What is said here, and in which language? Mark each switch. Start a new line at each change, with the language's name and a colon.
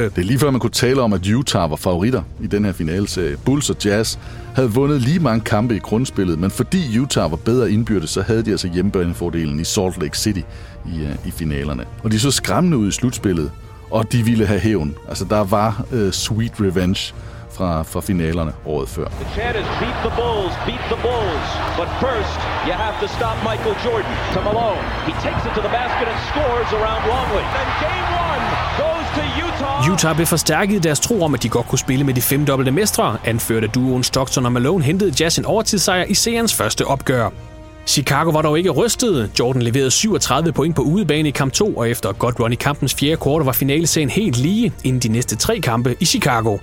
Danish: Det er lige før man kunne tale om, at Utah var favoritter i den her finaleserie. Bulls og Jazz havde vundet lige mange kampe i grundspillet, men fordi Utah var bedre indbyrdes, så havde de altså hjemmebanefordelen i Salt Lake City i finalerne. Og de så skræmmende ud i slutspillet, og de ville have hævn. Altså der var
English: sweet revenge
Danish: fra finalerne året før.
English: The chant is beat the Bulls, beat the Bulls. But first, you have to stop Michael Jordan. To Malone. He takes it to the basket and scores around Longley. And game one goes to Utah.
Danish: Utah blev forstærket i deres tro om, at de godt kunne spille med de fem dobbelte mestre, anført af duoen Stockton og Malone hentede Jazz en overtidssejr i seriens første opgør. Chicago var dog ikke rystet. Jordan leverede 37 point på udebane i kamp 2, og efter et godt run i kampens fjerde kvarter var finalescenen helt lige inden de næste tre kampe i Chicago.